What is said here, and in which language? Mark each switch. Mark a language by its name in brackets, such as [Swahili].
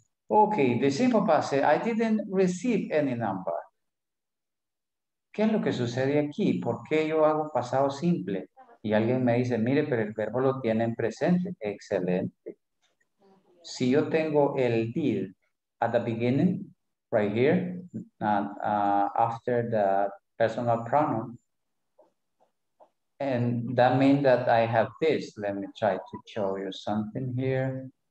[English] Okay, the simple past, I didn't receive any number. [Spanish] ¿Qué es lo que sucede aquí? ¿Por qué yo hago pasado simple? Y alguien me dice, mire, pero el verbo lo tiene en presente. Excelente. Si yo tengo el [English] did at the beginning, right here, after the personal pronoun, and that means that I have this. Let me try to show you something here.